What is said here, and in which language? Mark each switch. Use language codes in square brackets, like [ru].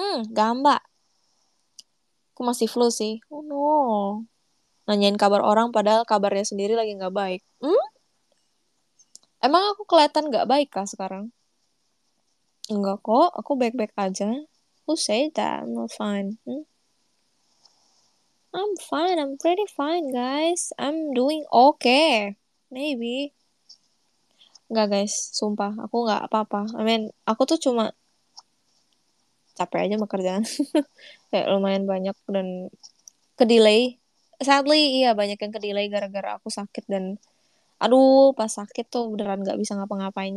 [id] Gambar aku masih flu sih. [en] Oh no, [id] nanyain kabar orang padahal kabarnya sendiri lagi nggak baik. Emang aku kelihatan nggak baik kah sekarang? Enggak kok, aku baik-baik aja. [en] Who say that? I'm not fine. I'm fine, I'm pretty fine, guys. I'm doing okay. Maybe. [id] Enggak, [en] guys. [id] Sumpah, aku enggak apa-apa. [en] I mean, [id] aku tuh cuma capek aja sama kerjaan. Kayak lumayan banyak dan ke-delay. Sadly, iya, banyak yang ke-delay gara-gara aku sakit dan aduh, pas sakit tuh beneran enggak bisa ngapa-ngapain.